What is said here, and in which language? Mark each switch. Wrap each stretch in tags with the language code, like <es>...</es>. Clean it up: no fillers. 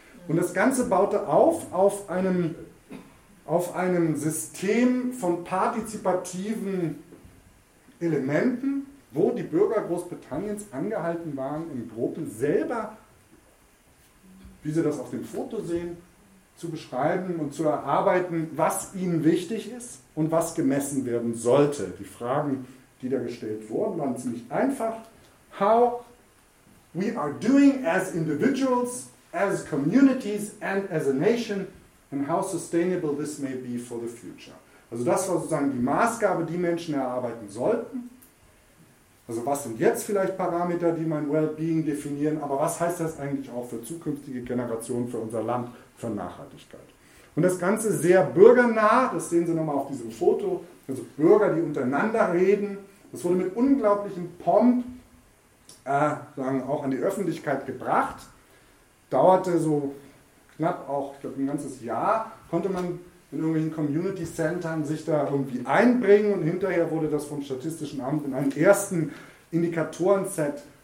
<de>Und das Ganze baute auf einem System von partizipativen Elementen, wo die Bürger Großbritanniens angehalten waren, in Gruppen selber, wie Sie das auf dem Foto sehen, zu beschreiben und zu erarbeiten, was ihnen wichtig ist und was gemessen werden sollte. Die Fragen, die da gestellt wurden, waren ziemlich einfach.</de> <en>How we are doing as individuals, as communities and as a nation, and how sustainable this may be for the future.</en> <de>Also das war sozusagen die Maßgabe, die Menschen erarbeiten sollten. Also was sind jetzt vielleicht Parameter, die mein Wellbeing definieren, aber was heißt das eigentlich auch für zukünftige Generationen, für unser Land, für Nachhaltigkeit? Und das Ganze sehr bürgernah, das sehen Sie nochmal auf diesem Foto, also Bürger, die untereinander reden, das wurde mit unglaublichem Pomp auch an die Öffentlichkeit gebracht, dauerte so knapp auch, ich glaube, ein ganzes Jahr, konnte man in irgendwelchen Community-Centern sich da irgendwie einbringen, und hinterher wurde das vom Statistischen Amt in einen ersten Indikatoren-Set</de>